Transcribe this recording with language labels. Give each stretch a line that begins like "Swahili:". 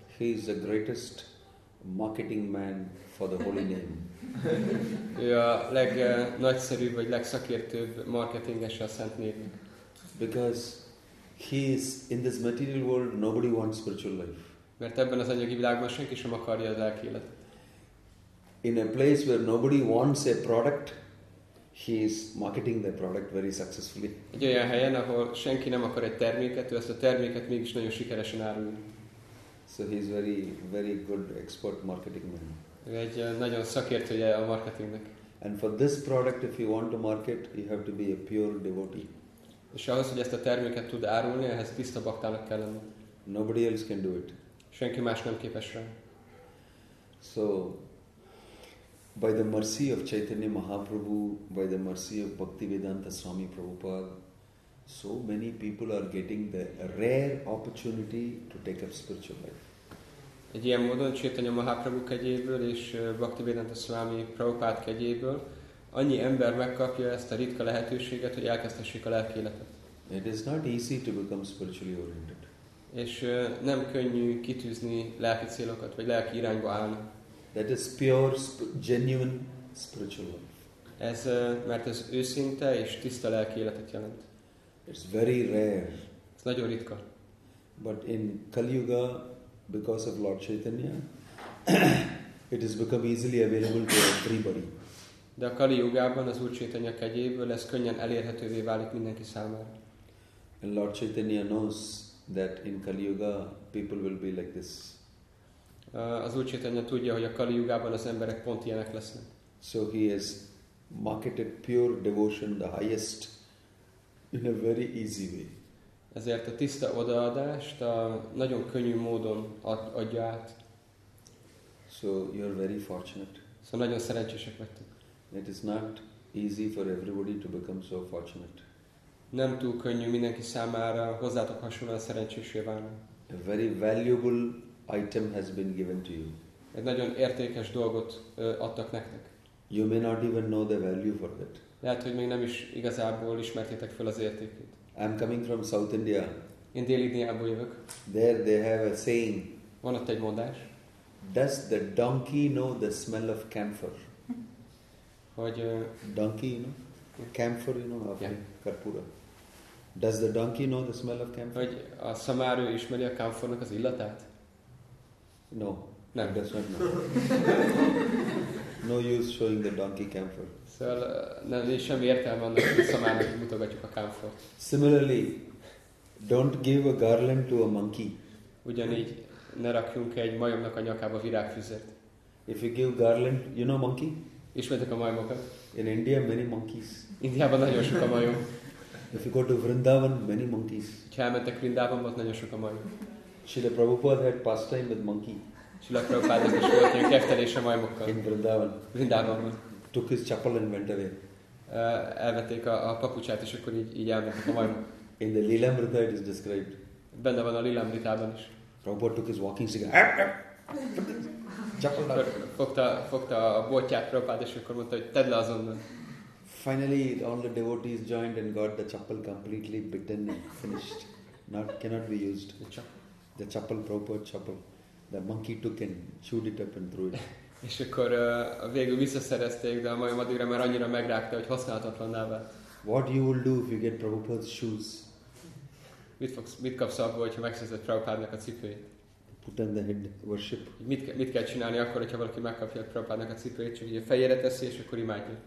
English: He is the greatest marketing man for the holy name.
Hungarian: Ő a legnagyszerűbb vagy legszakértőbb marketinges a szent névnek.
English: Because he is in this material world, nobody wants spiritual life.
Hungarian: Mert ebben az anyagi világban senki sem akarja az lelki életet.
English: In a place where nobody wants a product, he is marketing the product very successfully.
Hungarian: Egy olyan helyen, ahol senki nem akar egy terméket, ő ezt a terméket mégis nagyon sikeresen árulja.
English: So he is very, very good expert marketing man.
Hungarian: Ő egy nagyon szakértője a marketingnek.
English: And for this product, if you want to market, you have to be a pure devotee.
Hungarian: És ahhoz, hogy ezt a terméket tud árulni, ehhez tiszta baktának kell lenni.
English: Nobody else can do it.
Hungarian: Senki más nem képes rá.
English: So, by the mercy of Chaitanya Mahaprabhu, by the mercy of Bhaktivedanta Swami Prabhupada, so many people are getting the rare opportunity to take up spiritual life.
Hungarian: Egy ilyen módon Chaitanya Mahaprabhu kegyéből és Bhaktivedanta Swami Prabhupada kegyéből annyi ember megkapja ezt a ritka lehetőséget, hogy elkezdhessék a lelki életet.
English: It is not easy to become spiritually oriented.
Hungarian: És nem könnyű kitűzni lelki célokat, vagy lelki irányba állni.
English: That is pure, genuine spiritual life.
Hungarian: Ez, mert ez őszinte és tiszta lelki életet jelent.
English: It's very rare.
Hungarian: Ez nagyon ritka.
English: But in Kali Yuga, because of Lord Chaitanya, it has become easily available to everybody.
Hungarian: De a Kali Yugában az Úr Chaitanya kegyéből ez könnyen elérhetővé válik mindenki számára.
English: And Lord Chaitanya knows that in Kali Yuga people will be like this.
Hungarian: Az Úr Chaitanya tudja, hogy a Kali Yugában az emberek pont ilyenek lesznek.
English: So he has marketed pure devotion, the highest, in a very easy way.
Hungarian: Ezért a tiszta odaadást a nagyon könnyű módon adja át.
English: So you are very fortunate.
Hungarian: So nagyon szerencsések vagytok.
English: It is not easy for everybody to become so fortunate.
Hungarian: Nem túl könnyű mindenki számára hozzátok hasonlóan szerencsésé válni.
English: A very valuable item has been given to you.
Hungarian: Egy nagyon értékes dolgot adtak nektek.
English: You may not even know the value for it.
Hungarian: Lehet, hogy még nem is igazából ismertétek fel az értékét.
English: I'm coming from South India.
Hungarian: Én Dél-Indiából jövök.
English: There they have a saying.
Hungarian: Van ott egy mondás.
English: Does the donkey know the smell of camphor?
Hungarian: Hogy
English: donkey, you know? Camphor, you know, of Karpura. Does the donkey know the smell of camphor?
Hungarian: Hogy a szamár ismeri a kamfornak az illatát?
English: No.
Hungarian: Nem.
English: Does not know. No use showing the donkey camphor.
Hungarian: Szóval nem is semmi értelme annak, hogy szamának mutogatjuk a kámfort.
English: Similarly, don't give a garland to a monkey.
Hungarian: Ugyanígy ne rakjunk egy majomnak a nyakába virágfüzet.
English: If you give garland, you know monkey?
Hungarian: Ismertek a majmokat.
English: In India, many monkeys.
Hungarian: Indiában nagyon sok a majom.
English: If you go to Vrindavan, many monkeys.
Hungarian: Ha elmentek Vrindavan, ott nagyon sok a majom.
English: Srila Prabhupada had pastime with monkey.
Hungarian: Srila Prabhupada is volt egy keftelés a majmokkal.
English: In Vrindavan.
Hungarian: Vrindavanban.
English: Took his chapel and went away.
Hungarian: Elvették a papucsát, és akkor így elmentek a majmok.
English: In the Lilamrita it is described.
Hungarian: Benne van a Lilamritában is.
English: Prabhupada took his walking stick. Chapel down.
Hungarian: Fogta a botját Prabhupada, és akkor mondta, hogy tedd le azonnal.
English: Finally, all the devotees joined and got the chapel completely bitten and finished. Not, cannot be used. The chapel, Prabhupada chapel. The monkey took and chewed it up and threw it.
Hungarian: És akkor végül visszaszerezték, de a majom addigra már annyira megrágta, hogy használhatatlanná vált.
English: What you will do if you get Prabhupada's shoes?
Hungarian: Mit kapsz abból, hogyha megszerzed Prabhupádnak a cipőjét?
English: Put on the head, worship.
Hungarian: Mit kell csinálni akkor, hogyha valaki megkapja Prabhupádnak a cipőjét, csak így a fejére teszi, és akkor imádja.